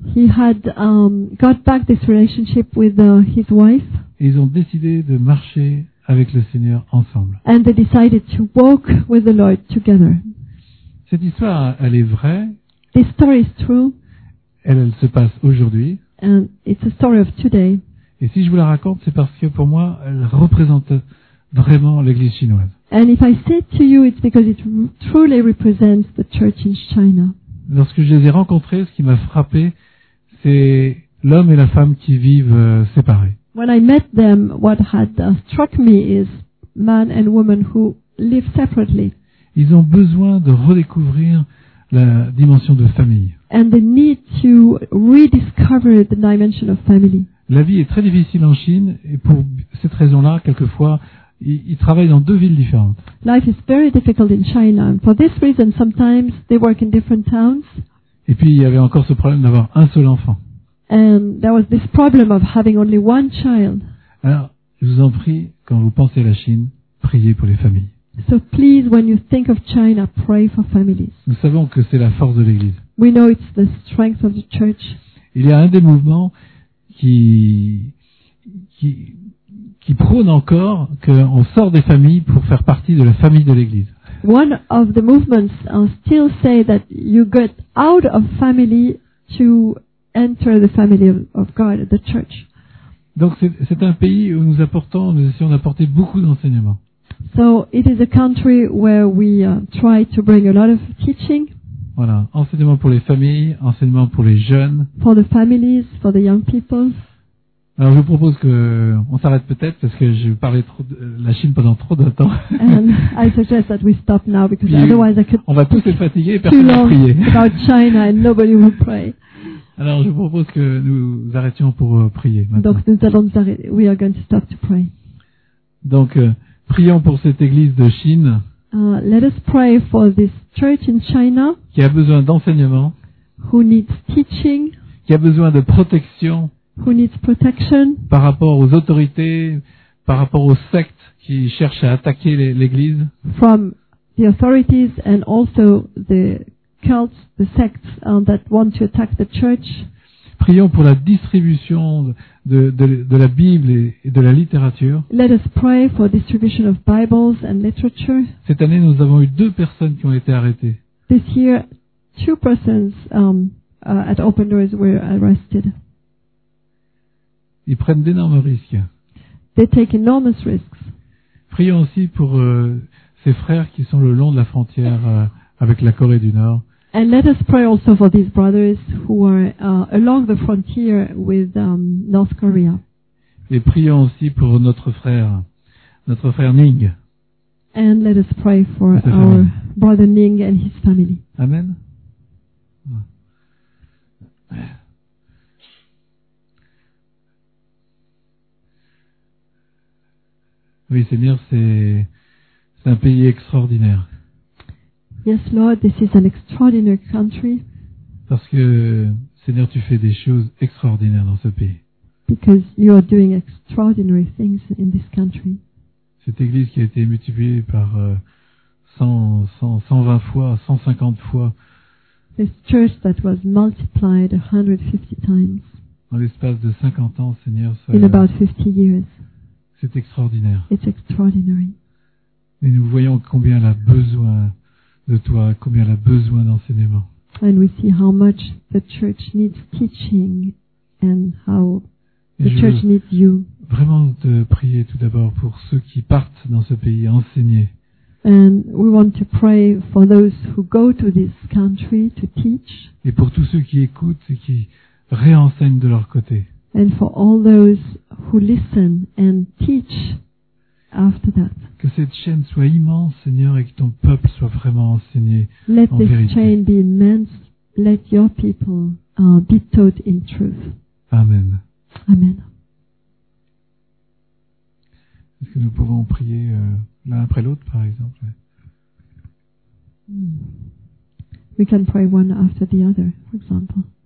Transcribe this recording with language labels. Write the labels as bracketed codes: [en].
[en] He had got back this relationship with his wife. [fr] Et ils ont décidé de marcher avec le Seigneur ensemble. [en] And they decided to walk with the Lord together. [fr] Cette histoire, elle est vraie. [en] This story is true. [fr] Elle se passe aujourd'hui. [en] And it's a story of today. [fr] Et si je vous la raconte, c'est parce que pour moi, elle représente vraiment l'Église chinoise. [en] And if I say to you, it's because it truly represents the church in China. [fr] Lorsque je les ai rencontrés, ce qui m'a frappé, c'est l'homme et la femme qui vivent séparés. [en] When I met them, what had struck me is man and woman who live separately. [fr] Ils ont besoin de redécouvrir la dimension de famille. [en] And they need to rediscover the dimension of family. [fr] La vie est très difficile en Chine et pour cette raison-là, quelquefois, ils travaillent dans deux villes différentes. [en] Life is very difficult in China. For this reason, sometimes they work in different towns. [fr] Et puis il y avait encore ce problème d'avoir un seul enfant. [en] And there was this problem of having only one child. [fr] Alors, je vous en prie, quand vous pensez à la Chine, priez pour les familles. [en] So please, when you think of China, pray for families. [fr] Nous savons que c'est la force de l'Église. [en] We know it's the strength of the church. [fr] Il y a un des mouvements qui prône encore qu'on sort des familles pour faire partie de la famille de l'Église. [en] One of the movements still say that you get out of family to enter the family of God, the church. [fr] Donc c'est un pays où nous apportons, nous essayons d'apporter beaucoup d'enseignements. [en] So it is a country where we try to bring a lot of teaching. [fr] Voilà, enseignement pour les familles, enseignement pour les jeunes. [en] For the families, for the young people. [fr] Alors je vous propose que on s'arrête peut-être parce que je parlais trop de la Chine pendant trop de temps. [en] And I suggest that we stop now because otherwise I could. [fr] On va tous être fatigués et personne ne prie. [en] About China and nobody will pray. [fr] Alors, je vous propose que nous arrêtions pour prier maintenant. Donc, nous allons nous arrêter. [en] We are going to stop to pray. [fr] Donc, prions pour cette église de Chine. [en] Let us pray for this church in China. [fr] Qui a besoin d'enseignement. [en] Who needs teaching. [fr] Qui a besoin de protection. [en] Who needs protection. [fr] Par rapport aux autorités, par rapport aux sectes qui cherchent à attaquer l'église. [en] From the authorities and also the cults, the sects that want to attack the church. [fr] Prions pour la distribution de la Bible et de la littérature. [en] Let us pray for distribution of Bibles and literature. [fr] Cette année, nous avons eu deux personnes qui ont été arrêtées. [en] This year, two persons at Open Doors were arrested. [fr] Ils prennent d'énormes risques. [en] They take enormous risks. [fr] Prions aussi pour ces frères qui sont le long de la frontière avec la Corée du Nord. [en] And let us pray also for these brothers who are along the frontier with North Korea. [fr] Et prions aussi pour notre frère Ning. [en] And let us pray for our brother Ning and his family. Amen. [fr] Oui, Seigneur, c'est un pays extraordinaire. [en] Yes, Lord, this is an extraordinary country. [fr] Parce que, Seigneur, tu fais des choses extraordinaires dans ce pays. [en] Because you are doing extraordinary things in this country. [fr] Cette église qui a été multipliée par 120 fois, 150 fois. [en] This church that was multiplied 150 times. [fr] En l'espace de 50 ans, Seigneur, ça. [en] In about 50 years. [fr] C'est extraordinaire. [en] It's extraordinary. [fr] Et nous voyons combien elle a besoin de toi, combien elle a besoin d'enseignement. [en] And we see how much the church needs teaching and how the church needs you. [fr] Vraiment de prier tout d'abord pour ceux qui partent dans ce pays enseigner. [en] And we want to pray for those who go to this country to teach. [fr] Et pour tous ceux qui écoutent et qui réenseignent de leur côté. [en] And for all those who listen and teach after that. [fr] Que cette chaîne soit immense, Seigneur, et que ton peuple soit vraiment enseigné en vérité. [en] Let this chain be immense. Let your people be taught in truth. Amen. Amen. [fr] Est-ce que nous pouvons prier l'un après l'autre, par exemple? [en] We can pray one after the other, for example.